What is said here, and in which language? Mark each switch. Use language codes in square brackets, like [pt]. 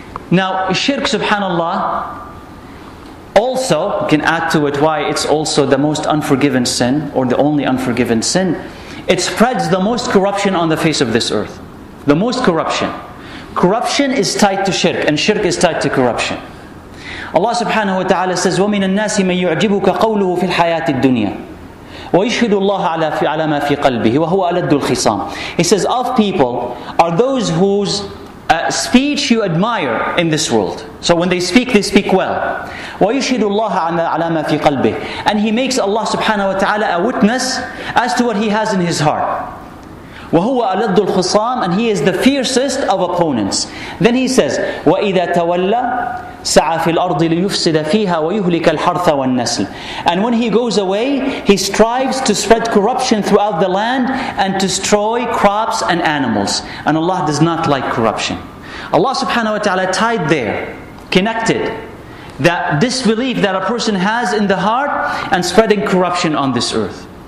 [en] Now, shirk, subhanAllah, also, you can add to it why it's also the most unforgiven sin, or the only unforgiven sin, it spreads the most corruption on the face of this earth. The most corruption. Corruption is tied to shirk, and shirk is tied to corruption. Allah subhanahu wa ta'ala says, [ar] وَمِنَ النَّاسِ مَنْ يُعْجِبُكَ قَوْلُهُ فِي الْحَيَاةِ الدُّنْيَا وَيَشْهُدُ اللَّهَ عَلَى مَا فِي قَلْبِهِ وَهُوَ أَلَدُّ الْخِصَامِ. [en] He says, of people are those whose speech you admire in this world. So when they speak well. [ar] وَيَشْهُدُ اللَّهَ عَلَى مَا فِي قَلْبِهِ. [en] And he makes Allah subhanahu wa ta'ala a witness as to what he has in his heart. [ar] وَهُوَ أَلَدُّ الْخِصَامِ. [en] And he is the fiercest of opponents. Then he says, [ar] وَإِذَا تَوَلَّى سَعَى فِي الْأَرْضِ لِيُفْسِدَ فِيهَا وَيُهْلِكَ الْحَرْثَ وَالنَّسْلِ. [en] And when he goes away, he strives to spread corruption throughout the land and to destroy crops and animals. And Allah does not like corruption. Allah subhanahu wa ta'ala tied there, connected, that disbelief that a person has in the heart and spreading corruption on this earth.